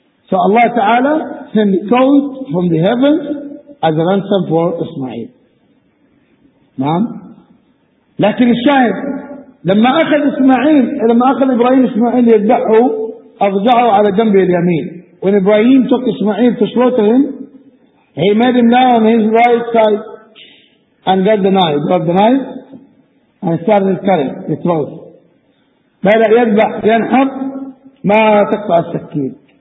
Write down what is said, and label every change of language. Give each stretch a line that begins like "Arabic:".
English: So Allah تعالى sent the goat from the heavens as a ransom for Ismail.
Arabic: نعم. لكن الشاهد لما أخذ إسماعيل، لما أخذ إبراهيم إسماعيل يذبحه، أضجعه على جنبه اليمين.
English: When Ibrahim took Ismail to slaughter him, he made him lie on his right side and got the knife and started cutting the throat.
Arabic: بدأ يذبح ينحب ما تقطع السكين.